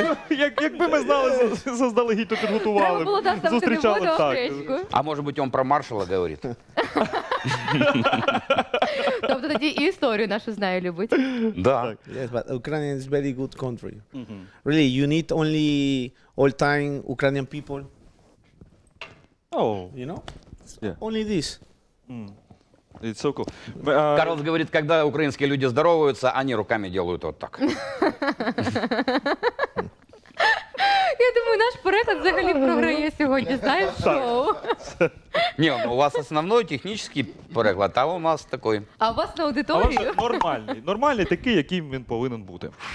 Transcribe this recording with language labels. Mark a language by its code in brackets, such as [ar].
[uk] Якби ми знали, заздалегідь то підготували. Зустрічали так. А може бути, він про маршала говорить? Тобто тоді і історію нашу знаю любить. [ru] Да. [en] Yes, but Ukraine is very good country. Mm-hmm. Really, you need only all time Ukrainian people. Oh, you know? Yeah. Only this. Mm. It's so cool. [ru] Карлос говорит, когда украинские люди здороваются, они руками делают вот так. [uk] Я думаю, наш переклад взагалі програє сьогодні, знаєш, шоу. Ні, ну у вас основний технічний переклад, а у нас такий. А у вас на аудиторію? А у вас нормальний, нормальний такий, яким він повинен бути.